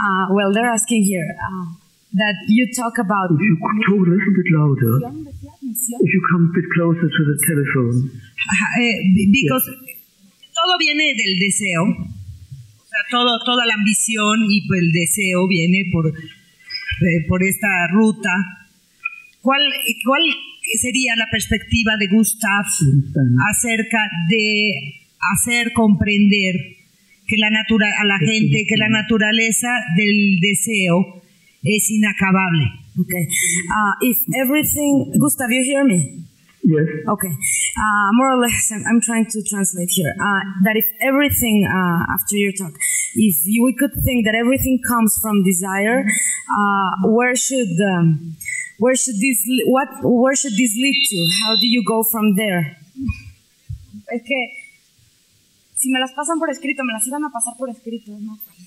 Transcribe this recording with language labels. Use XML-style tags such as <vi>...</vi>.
<en>Well, they're asking here that you talk about... If you could talk a little bit louder. If you come a bit closer to the telephone. Because yes.</en> <es>Todo viene del deseo. O sea, toda la ambición y el deseo viene por esta ruta. ¿Cuál sería la perspectiva de Gustav acerca de hacer comprender que la naturaleza del deseo es inacabable?</es> <en>Okay. If everything, Gustav, you hear me? Yes. Okay. More or less, I'm trying to translate here. That if everything, after your talk, if we could think that everything comes from desire, where should this lead to? How do you go from there?</en> <es>Es que si me las pasan por escrito, me las iban a pasar por escrito, ¿no?</es>